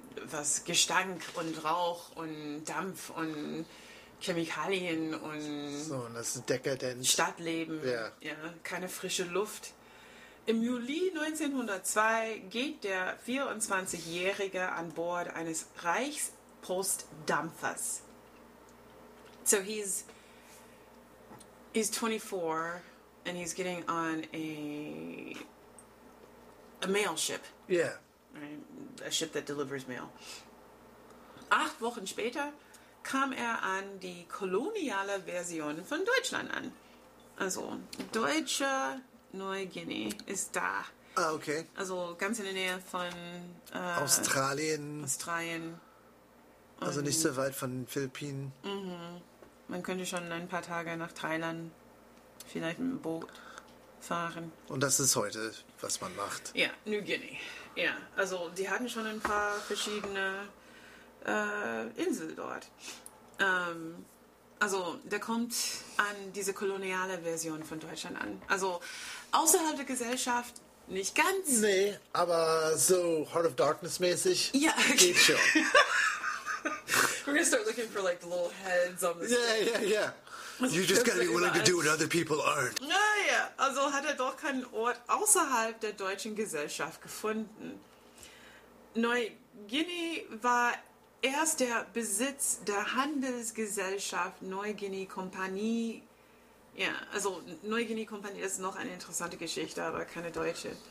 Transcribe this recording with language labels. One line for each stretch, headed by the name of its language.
German: Was Gestank und Rauch und Dampf und Chemikalien und... So, und das ist dekadent. Stadtleben. Yeah. Ja. Keine frische Luft. Im Juli 1902 geht der 24-Jährige an Bord eines Reichspostdampfers.
English: So he's 24 and he's getting on a mail ship. Yeah. A ship that delivers mail.
German: 8 Wochen später kam er an die koloniale Version von Deutschland an. Also deutscher Neuguinea ist da. Ah, okay. Also ganz in der Nähe von Australien. Australien. Also nicht so weit von den Philippinen. Mhm. Man könnte schon ein paar Tage nach Thailand vielleicht mit dem Boot fahren. Und das ist heute, was man macht. Ja, Neuguinea. Ja, also die hatten schon ein paar verschiedene Inseln dort. Also, der kommt an diese koloniale Version von Deutschland an. Also, außerhalb der Gesellschaft nicht ganz. Nee, aber so Heart of Darkness mäßig ja, okay. Geht schon.
English: We're gonna start looking for like the little heads on the screen. Yeah, yeah, yeah. You're just gonna be willing to do what other people aren't. Ja, ja.
German: Also hat er doch keinen Ort außerhalb der deutschen Gesellschaft gefunden. Neuguinea war erst der Besitz der Handelsgesellschaft Neuguinea Kompanie. Ja, also Neuguinea Kompanie ist noch eine interessante Geschichte, aber keine deutsche.